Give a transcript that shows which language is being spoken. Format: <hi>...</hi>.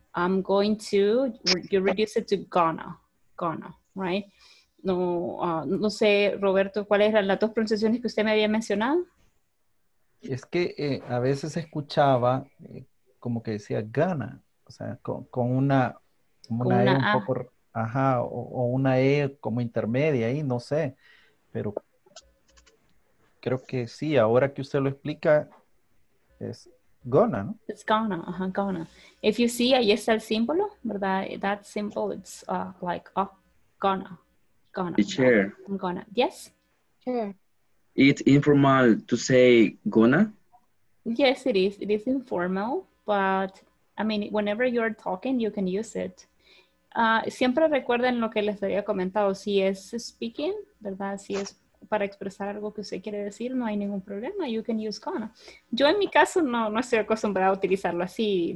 <en>I'm going to, you reduce it to gonna, gonna, right?</en> <es>No, no sé, Roberto, ¿cuáles eran las dos pronunciaciones que usted me había mencionado? Es que a veces escuchaba como que decía gana, o sea, con una E un poco, ajá, o una E como intermedia ahí, no sé, pero creo que sí, ahora que usted lo explica, es gonna, ¿no?</es> <en>It's gonna, uh-huh, gonna. If you see,</en> <es>ahí está el símbolo, ¿verdad?</es> <en>That symbol, it's like, oh, gonna, gonna. Teacher. I'm gonna, yes? Sure. It's informal to say gonna? Yes, it is. It is informal, but, I mean, whenever you're talking, you can use it.</en> <es>Siempre recuerden lo que les había comentado, si es speaking, ¿verdad? Si es para expresar algo que usted quiere decir, no hay ningún problema.</es> <en>You can use gonna.</en> <es>Yo en mi caso no estoy acostumbrada a utilizarlo así.</es>